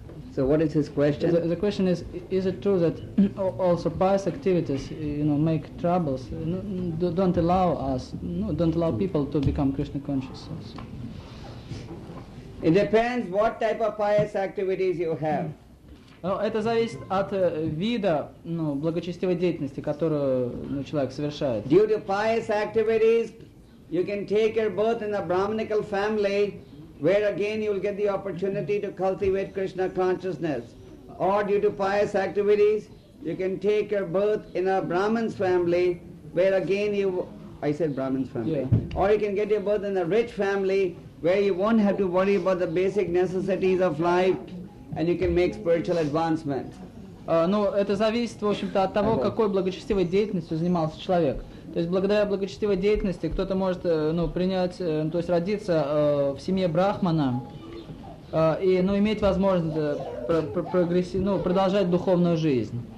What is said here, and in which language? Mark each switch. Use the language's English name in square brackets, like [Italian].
[English] So what is his question? The question is it true that also pious activities, make troubles, don't allow people to become Krishna conscious? It depends what type of pious activities you have. [Russian] Это зависит от вида, благочестивой деятельности, которую человек совершает. [English] Due to pious activities, you can take your birth in a brahminical family, where again you will get the opportunity to cultivate Krishna consciousness. or due to pious activities, you can take your birth in a Brahmin's family, where again you... I said Brahmin's family. Yeah. Or you can get your birth in a rich family, where you won't have to worry about the basic necessities of life, and you can make spiritual advancement. [Russian] Ну, это зависит, в общем-то, от того, какой благочестивой деятельностью занимался человек. То есть благодаря благочестивой деятельности кто-то может принять, то есть родиться в семье брахмана и иметь возможность продолжать духовную жизнь.